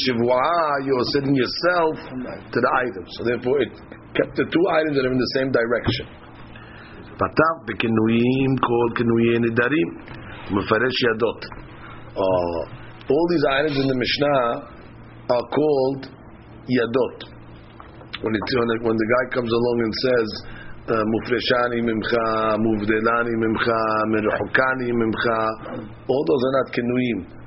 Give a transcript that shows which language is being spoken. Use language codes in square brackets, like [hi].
[en] sending yourself to the item. So therefore it kept the two items that are in the same direction. [he] פתח בכינויים כל כינויי נדרים מפרש ידות. [en] All these items in the Mishnah are called yadot. When the guy comes along and says [he] mufreshani mimcha, muvdelani mimcha, merhukani mimcha, [en] all those are not kinuim.